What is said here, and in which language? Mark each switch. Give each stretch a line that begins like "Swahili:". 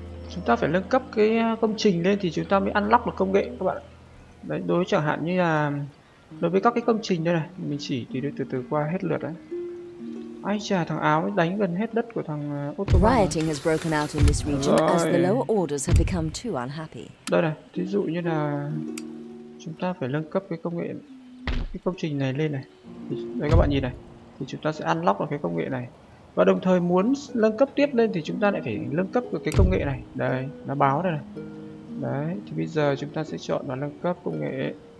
Vietnamese: Chúng ta phải nâng cấp cái công trình lên thì chúng ta mới unlock được công nghệ các bạn. Đấy, đối với chẳng hạn như là đối với các cái công trình đây này, mình chỉ đi từ từ qua hết lượt đấy. Ai chà, thằng áo mới đánh gần hết đất của thằng Ottoman.
English: Rioting has broken out in this region as the lower orders have become too unhappy.
Vietnamese: Đây này, ví dụ như là chúng ta phải nâng cấp cái công nghệ, cái công trình này lên này. Đây các bạn nhìn này, thì chúng ta sẽ unlock được cái công nghệ này. Và đồng thời muốn nâng cấp tiếp lên thì chúng ta lại phải nâng cấp được cái công nghệ này. Đây, nó báo đây này. Đấy, thì bây giờ chúng ta sẽ chọn là nâng cấp công nghệ.